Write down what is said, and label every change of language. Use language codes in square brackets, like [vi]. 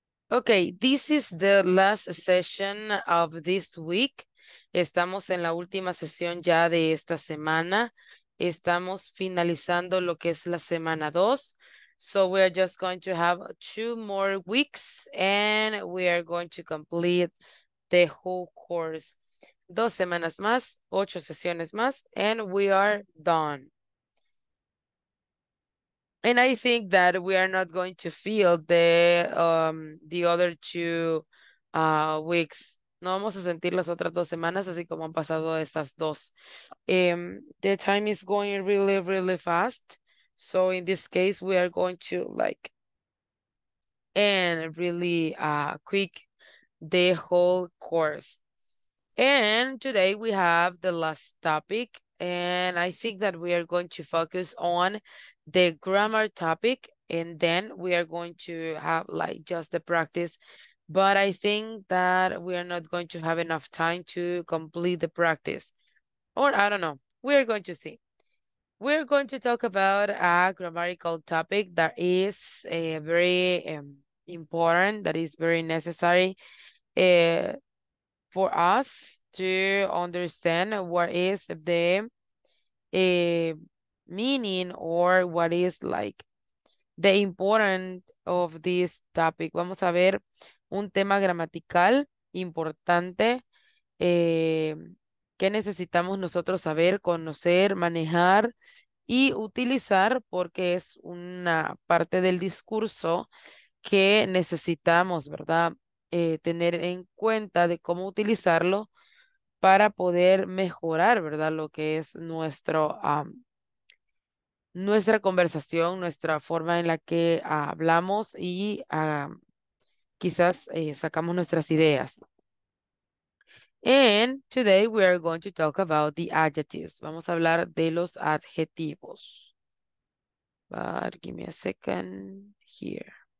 [en] Okay, this is the last session of this week. [es] Estamos en la última sesión ya de esta semana. Estamos finalizando lo que es la semana 2. [en] So we are just going to have 2 more weeks and we are going to complete the whole course. [es] 2 semanas más, 8 sesiones más, [en] and we are done. And I think that we are not going to feel the other 2 weeks. [es] No vamos a sentir las otras 2 semanas así como han pasado estas 2. [en] The time is going really, really fast. So in this case, we are going to like and really quick the whole course. And today we have the last topic. And I think that we are going to focus on the grammar topic, and then we are going to have like just the practice. But I think that we are not going to have enough time to complete the practice. Or I don't know. We are going to see. We're going to talk about a grammatical topic that is a very important, that is very necessary for us to understand what is the meaning or what is like the important of this topic. [es] Vamos a ver un tema gramatical importante que necesitamos nosotros saber, conocer, manejar y utilizar porque es una parte del discurso que necesitamos, ¿verdad? Tener en cuenta de cómo utilizarlo para poder mejorar, ¿verdad? Lo que es nuestro nuestra conversación, nuestra forma en la que hablamos y quizás sacamos nuestras ideas. [en] And today we are going to talk about the adjectives. [es] Vamos a hablar de los adjetivos. [en] But give me a second here.